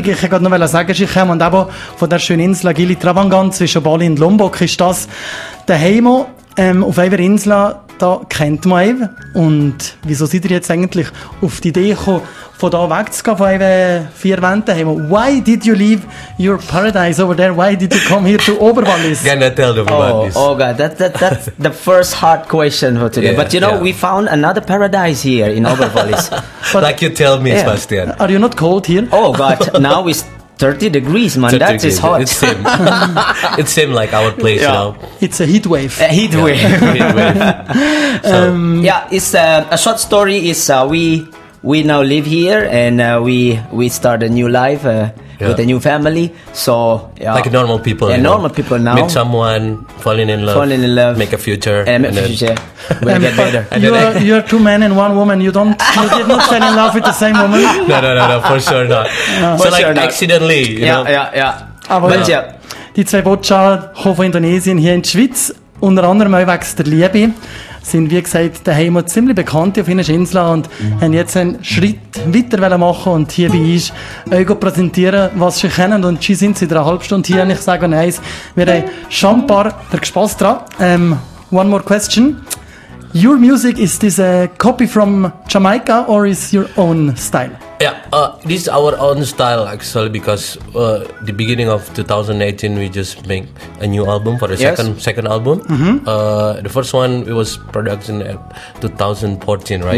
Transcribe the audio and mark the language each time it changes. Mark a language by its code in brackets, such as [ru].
[de] Ich wollte gerade noch sagen, dass ich komme und eben von der schönen Insel Gili Trawangan zwischen Bali und Lombok ist das der Heimo auf einer Insel. Da kennt man eben. Und wieso seid ihr jetzt eigentlich auf die Idee gekommen, von da wegzugehen, von euren vier Wänden? [en] Why did you leave your paradise over there? Why did you come here to Oberwallis? Gonna tell them about this. Oh God, that's the first hard question for today. Yeah, but you know, yeah. We found another paradise here in Oberwallis. Like you tell me, yeah. Sebastian. Are you not cold here? Oh God, now it's 30 degrees, man. 30 that degrees. Is hot. It's same. It's same like our place, yeah. You know. It's a heat wave. A heat wave. Yeah, it's a short story. Is we now live here and we start a new life with a new family. So yeah, like normal people. Yeah, normal people now. Meet someone, falling in love, make a future, and make a future. We'll get better. You're two men and one woman. You did not fall in love with the same woman. No, for sure not. No. For so like sure not. Accidentally. You yeah, know? Yeah, yeah. [de] Aber no. Ja. Die zwei Botschaften kommen von Indonesien hier in die Schweiz, unter anderem auch wegen der Liebe. Sind, wie gesagt, daheim ziemlich bekannt auf einer Insel und haben jetzt einen Schritt weiter machen und hier bei uns euch präsentieren, was sie kennen. Und sie sind seit einer halben Stunde hier und ich sage euch eins, wir haben schon ein paar Spass dran. [en] One more question. Your music, is this a copy from Jamaica or is your own style? Yeah, this is our own style actually because the beginning of 2018 we just make a new album for the second album. Mm-hmm. The first one it was production 2014, right?